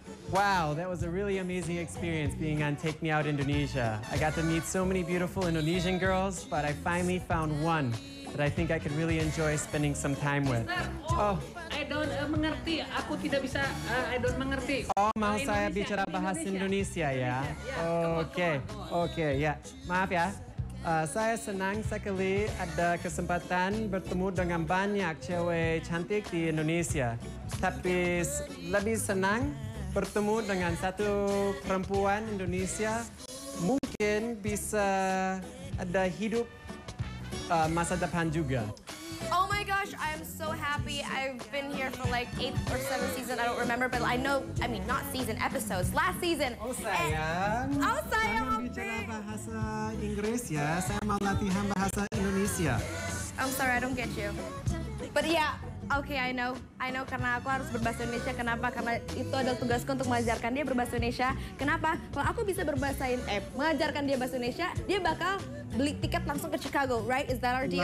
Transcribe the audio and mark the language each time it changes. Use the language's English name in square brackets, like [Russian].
[English] Wow, that was a really amazing experience being on Take Me Out Indonesia. I got to meet so many beautiful Indonesian girls, but I finally found one that I think I could really enjoy spending some time with. Oh, I don't mengerti. [Indonesian] Oh, mau saya bicara bahasa Indonesia ya. [English] Okay, yeah. [Indonesian] Maaf ya. Saya senang sekali ada kesempatan bertemu dengan banyak cewek cantik di Indonesia. Tapi lebih senang bertemu dengan satu perempuan Indonesia, mungkin bisa ada hidup masa depan juga. [English] Oh my gosh, I'm so happy. I've been here for like 8th or 7th season, I don't remember, but I know, I mean, not season, episodes, last season. [Indonesian] Oh sayang. Saya bicara bahasa Inggris ya, saya mau latihan bahasa Indonesia. [English] I'm sorry, I don't get you. But yeah. Okay, I know, [Indonesian] karena aku harus berbahasa Indonesia. Kenapa? Karena itu adalah tugasku untuk mengajarkan dia berbahasa Indonesia. Kenapa? Kalau aku bisa mengajarkan dia bahasa Indonesia, dia bakal beli tiket langsung ke Chicago, [English] right? Is that our deal?